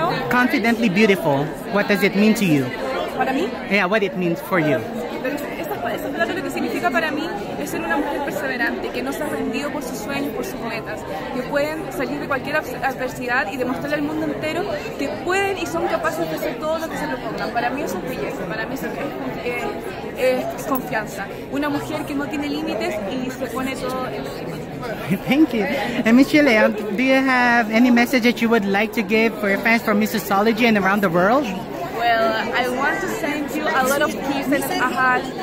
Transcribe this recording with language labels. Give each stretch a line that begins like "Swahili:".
English: Confidently beautiful, what does it mean to you?
Spanish: Para mí?
English: Yeah, what it means for you.
Spanish: Esa palabra lo que significa para mí es ser una mujer perseverante, que no se ha rendido por sus sueños, por sus metas, que pueden salir de cualquier adversidad y demostrarle al mundo entero que pueden y son capaces de hacer todo lo que se propongan. Para mí eso es belleza, para mí eso es confianza. Una mujer que no tiene límites y se pone todo en su.
English: Thank you. And Michele, do you have any message that you would like to give for your fans from Missosology and around the world? Well, I want to send you a lot of peace and a hug.